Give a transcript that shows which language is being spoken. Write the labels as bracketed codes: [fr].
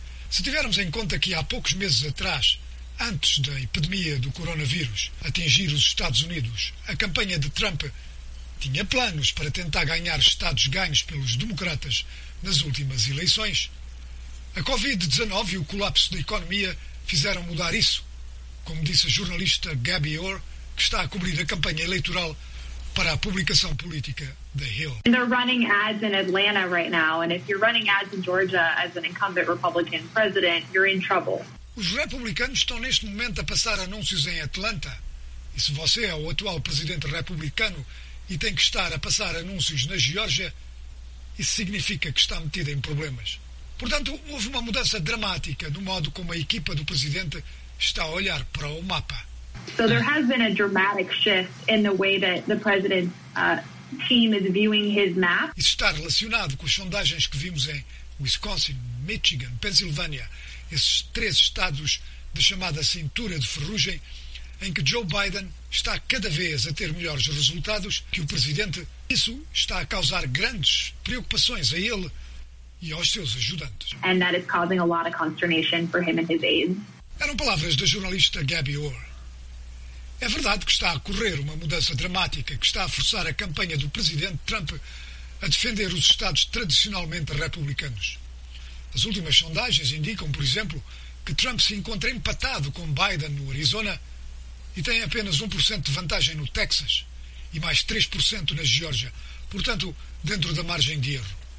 [pt] Se tivermos em conta que há poucos meses atrás, antes da epidemia do coronavírus atingir os Estados Unidos, a campanha de Trump tinha planos para tentar ganhar estados ganhos pelos democratas nas últimas eleições, a Covid-19 e o colapso da economia fizeram mudar isso. como disse a jornalista Gabi Orr, que está a cobrir a campanha eleitoral para a publicação política The Hill. [en] They're running ads in Atlanta right now, and if you're running ads in Georgia as an incumbent Republican president, you're in trouble. [pt] Os republicanos estão neste momento a passar anúncios em Atlanta. E se você é o atual presidente republicano e tem que estar a passar anúncios na Geórgia, isso significa que está metido em problemas. Portanto, houve uma mudança dramática no modo como a equipa do presidente está a olhar para o mapa. [en] So there has been a dramatic shift in the way that the president's team is viewing his map. [pt] Isso está relacionado com as sondagens que vimos em Wisconsin, Michigan, Pensilvânia, esses três estados da chamada cintura de ferrugem, em que Joe Biden está cada vez a ter melhores resultados que o presidente. Isso está a causar grandes preocupações a ele e aos seus ajudantes. [en] And that is causing a lot of consternation for him and his aides. [pt] Eram palavras da jornalista Gabi Orr. É verdade que está a ocorrer uma mudança dramática que está a forçar a campanha do presidente Trump a defender os estados tradicionalmente republicanos. As últimas sondagens indicam, por exemplo, que Trump se encontra empatado com Biden no Arizona e tem apenas 1% de vantagem no Texas e mais 3% na Geórgia, portanto, dentro da margem de erro.